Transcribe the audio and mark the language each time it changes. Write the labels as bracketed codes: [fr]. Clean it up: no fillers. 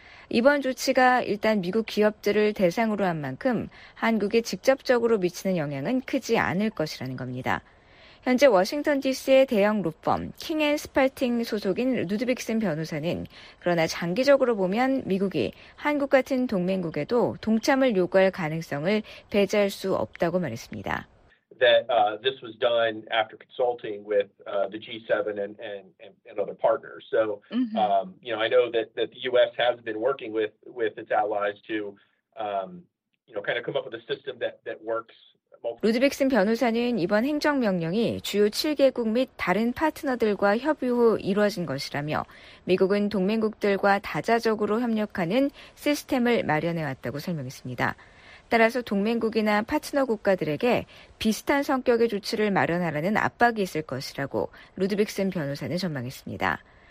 [ko] 이번 조치가 일단 미국 기업들을 대상으로 한 만큼 한국에 직접적으로 미치는 영향은 크지 않을 것이라는 겁니다. 현재 워싱턴 DC의 대형 로펌 킹앤스팔팅 소속인 루드빅슨 변호사는 그러나 장기적으로 보면 미국이 한국 같은 동맹국에도 동참을 요구할 가능성을 배제할 수 없다고 말했습니다. [en] That this was done after consulting with the G7 and other partners. So you know, I know that the US has been working with its allies to you know, kind of come up with a system that works. [ko] 루드빅슨 변호사는 이번 행정명령이 주요 7개국 및 다른 파트너들과 협의 후 이루어진 것이라며 미국은 동맹국들과 다자적으로 협력하는 시스템을 마련해왔다고 설명했습니다. 따라서 동맹국이나 파트너 국가들에게 비슷한 성격의 조치를 마련하라는 압박이 있을 것이라고 루드빅슨 변호사는 전망했습니다.